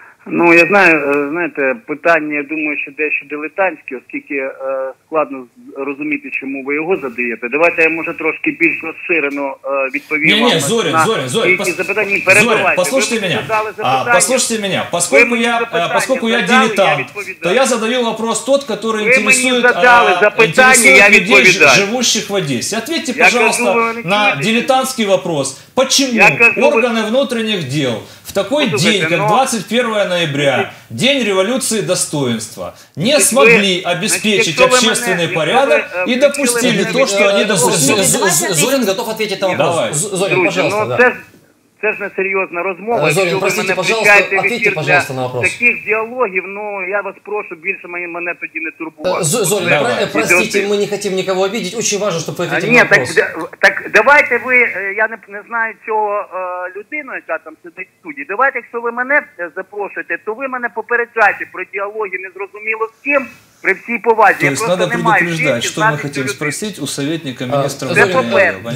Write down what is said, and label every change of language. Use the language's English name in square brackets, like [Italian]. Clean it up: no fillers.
[Ukrainian] Ну, я знаю, знаєте, питання, я думаю, що дещо дилетантське, оскільки складно розуміти, чому ви його задаєте. Давайте я, може, трошки більш розширено відповім вам. Ні, Зорин, Зорин, послухайте мене, [Russian] поскольку я дилетант, то я задаю вопрос тот, который интересует людей, живущих в Одессе. Ответьте, пожалуйста, на дилетантский вопрос, почему органы внутренних дел в такой день, как 21 ноября, день революции достоинства, не смогли обеспечить общественный порядок и допустили то, что они допустили. Зорин готов ответить на вопрос. Давай. Зорин, пожалуйста. Да. [Ukrainian] Це ж не серйозна розмова. [Russian] Зорин, простите, пожалуйста, ответьте, пожалуйста, на вопрос. [Ukrainian] Таких діалогів, ну, я вас прошу, більше мене тоді не турбувати. Зорин, простите, ми не хочемо нікого обидіти. Дуже важливо, щоб ви [Russian] ответили на вопрос. [Ukrainian] Так давайте ви, я не знаю цього людину, яка там сидить в студії. Давайте, якщо ви мене запрошуєте, то ви мене попереджайте про діалоги незрозуміло з ким. При всей повазе. [Russian] То есть надо предупреждать, что мы хотим спросить у советника министра внутренних дел.